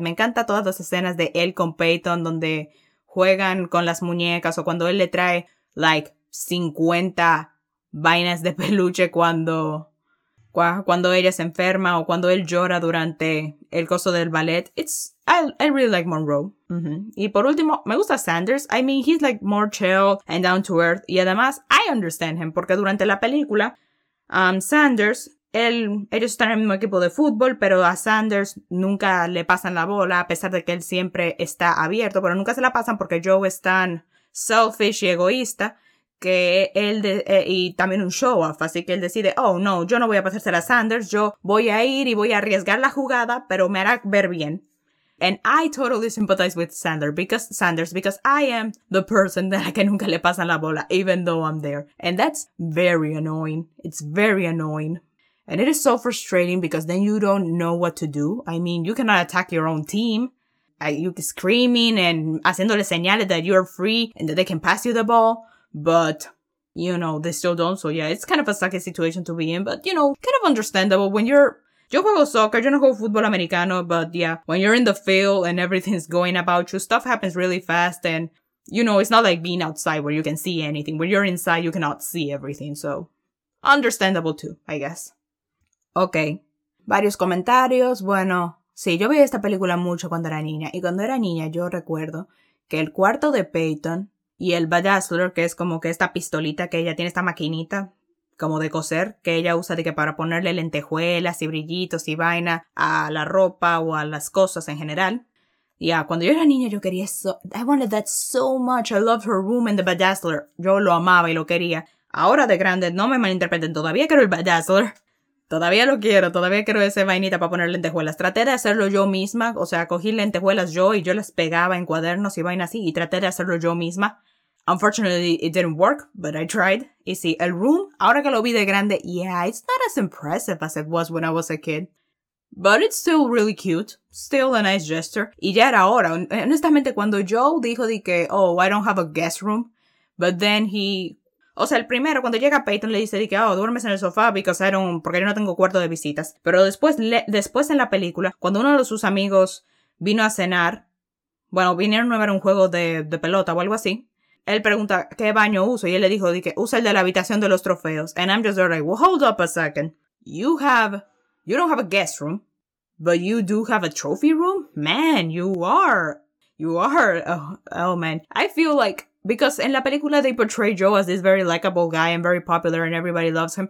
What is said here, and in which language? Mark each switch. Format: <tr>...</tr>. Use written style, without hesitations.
<es>Me encanta todas las escenas de él con Peyton donde juegan con las muñecas o cuando él le trae like 50 vainas de peluche cuando ella se enferma o cuando él llora durante el coso del ballet.</es> <en>I really like Monroe.</en> <es>Mm-hmm. Y por último, me gusta Sanders.</es> <en>I mean, he's like more chill and down to earth.</en> <es>Y además,</es> <en>I understand him</en> <es>porque durante la película, Sanders, ellos están en el mismo equipo de fútbol, pero a Sanders nunca le pasan la bola, a pesar de que él siempre está abierto, pero nunca se la pasan porque Joe es tan selfish y egoísta que él y también un show off, así que él decide, oh no, yo no voy a pasársela a Sanders, yo voy a ir y voy a arriesgar la jugada, pero me hará ver bien.</es> <en>And I totally sympathize with Sanders because I am the person that I can</en> <es>nunca le pasan la bola,</es> <en>even though I'm there. And that's very annoying. It's very annoying. And it is so frustrating because then you don't know what to do. I mean, you cannot attack your own team. You screaming and</en> <es>haciéndole señales</es> <en>that you're free and that they can pass you the ball. But, you know, they still don't. So, yeah, it's kind of a sucky situation to be in. But, you know, kind of understandable when you're...</en> <es>Yo juego soccer, yo no juego fútbol americano.</es> <en>But, yeah, when you're in the field and everything's going about you, stuff happens really fast. And, you know, it's not like being outside where you can see anything. When you're inside, you cannot see everything. So, understandable too, I guess.</en> <es>Ok, varios comentarios. Bueno, sí, yo vi esta película mucho cuando era niña. Y cuando era niña yo recuerdo que el cuarto de Peyton y el Badazzler, que es como que esta pistolita que ella tiene, esta maquinita como de coser, que ella usa de que para ponerle lentejuelas y brillitos y vaina a la ropa o a las cosas en general. Yeah, cuando yo era niña yo quería eso.</es> <en>I wanted that so much. I loved her room and the Badazzler.</en> <es>Yo lo amaba y lo quería. Ahora de grande, no me malinterpreten, todavía quiero el Badazzler. Todavía lo quiero, todavía quiero ese vainita para poner lentejuelas. Traté de hacerlo yo misma, o sea, cogí lentejuelas yo y yo las pegaba en cuadernos y vainas así y traté de hacerlo yo misma.</es> <en>Unfortunately, it didn't work, but I tried.</en> <es>Y sí, el room, ahora que lo vi de grande,</es> <en>yeah, it's not as impressive as it was when I was a kid. But it's still really cute, still a nice gesture.</en> <es>Y ya era hora, honestamente, cuando Joe dijo de que, oh,</es> <en>I don't have a guest room, but then he...</en> <es>O sea, el primero, cuando llega Peyton, le dice, oh, duermes en el sofá porque yo no tengo cuarto de visitas. Pero después en la película, cuando uno de sus amigos vino a cenar, bueno, vinieron a ver un juego de pelota o algo así, él pregunta, ¿qué baño uso? Y él le dijo, usa el de la habitación de los trofeos.</es> <en>And I'm just like, well, hold up a second. You don't have a guest room, but you do have a trophy room? Man, you are, oh man. I feel like... Because in</en> <es>la película</es> <en>they portray Joe as this very likable guy and very popular and everybody loves him.</en>